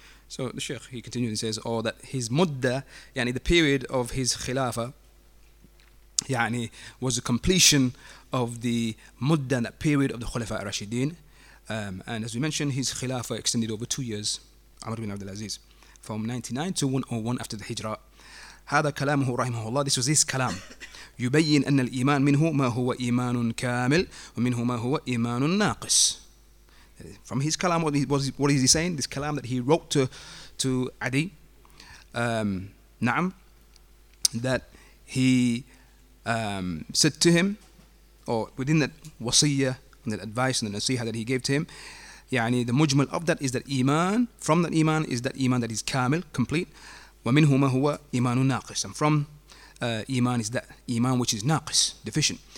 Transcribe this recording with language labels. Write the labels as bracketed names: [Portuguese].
[English] So the Sheikh, he continues and says, oh, that his mudda, the period of his khilafa, was a completion of the mudda, that period of the خلفاء الراشدين. And as we mentioned, his khilafah extended over 2 years, Amr bin Abdul Aziz, from 99 to 101 after the hijrah. [Arabic] هذا كلامه رحمه الله. [English] This was his kalam. [Arabic] يبين أن الإيمان منه ما هو إيمان كامل ومنه ما هو إيمان ناقص. [English] From his kalam, what is he saying? This kalam that he wrote to Adi, that he said to him, or within that wasiyah, and the advice and the nasiha that he gave to him, the mujmal of that is that iman, from that iman is that iman that is kamil, complete, [Arabic] wa minhuma huwa imanu naqis, [English] and from iman is that iman which is naqis, deficient.